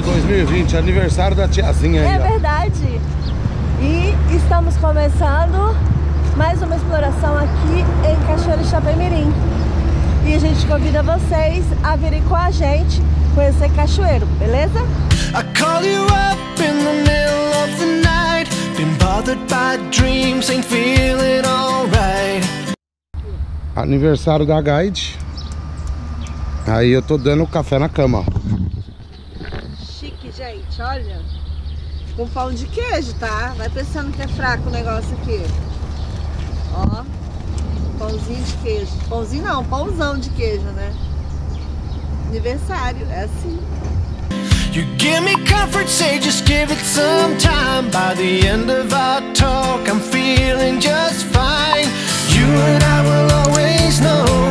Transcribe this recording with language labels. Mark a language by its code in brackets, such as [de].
[pt] De 2020, aniversário da tiazinha aí. É verdade. E estamos começando mais uma exploração aqui em Cachoeiro de Itapemirim. E a gente convida vocês a virem com a gente conhecer Cachoeiro, beleza? [en] I call you up in the middle of the night. Been bothered by dreams, ain't feeling alright. [pt] Aniversário da guide. Aí eu tô dando café na cama. Chique, gente, olha. Com pão de queijo, tá? Vai pensando que é fraco o negócio aqui. Ó, pãozinho de queijo. Pãozinho não, pãozão de queijo, né? Aniversário, é assim. [en] You give me comfort, say just give it some time. By the end of our talk, I'm feeling just fine. You and I will always know.